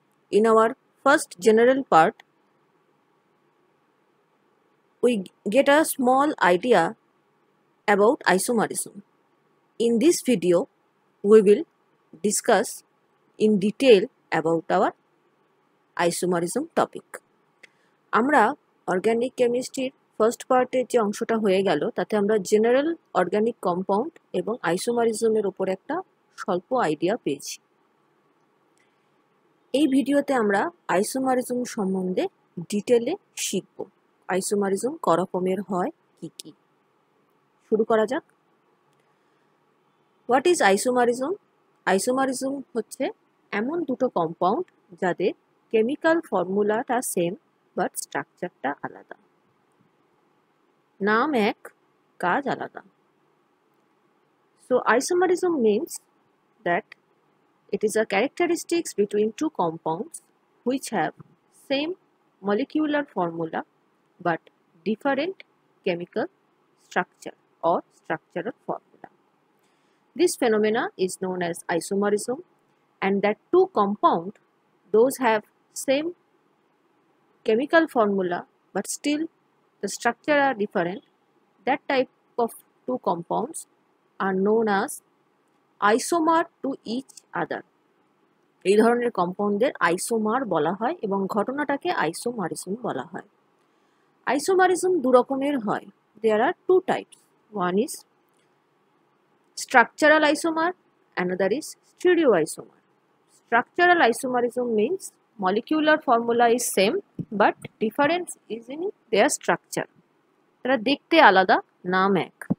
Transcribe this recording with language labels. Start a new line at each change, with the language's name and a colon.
English: In our first general part, we get a small idea about isomerism. In this video, we will discuss in detail about our isomerism topic.
Bangla: Organic কেমিস্ট্রির first পার্টের যে অংশটা হয়ে গেল তাতে আমরা general organic compound এবং আইসোমারিজমের উপর একটা স্বল্প আইডিয়া পেয়েছি। এই ভিডিওতে আমরা আইসোমারিজম সম্বন্ধে ডিটেলে শিখব, আইসোমারিজম ক রকমের হয়, কি কি। শুরু করা যাক।
English: What is isomerism?
Bangla: আইসোমারিজম হচ্ছে এমন দুটো কম্পাউন্ড যাদের কেমিক্যাল ফর্মুলাটা সেম বাট স্ট্রাকচারটা আলাদা, নাম এক, কাজ আলাদা।
English: So isomerism means that it is a characteristics between two compounds which have same molecular formula but different chemical structure or structural formula. This phenomena is known as isomerism and that two compound those have same chemical formula but still the structure are different, that type of two compounds are known as isomer to each other.
Bangla: এই ধরনের কম্পাউন্ডদের isomer বলা হয় এবং ঘটনাটাকে isomerism বলা হয়। Isomerism দু রকমের হয়,
English: There are two types, one is structural isomer, another is stereo isomer. Structural isomerism means molecular formula is same but difference is in their structure,
Bangla: তারা দেখতে আলাদা, নাম এক।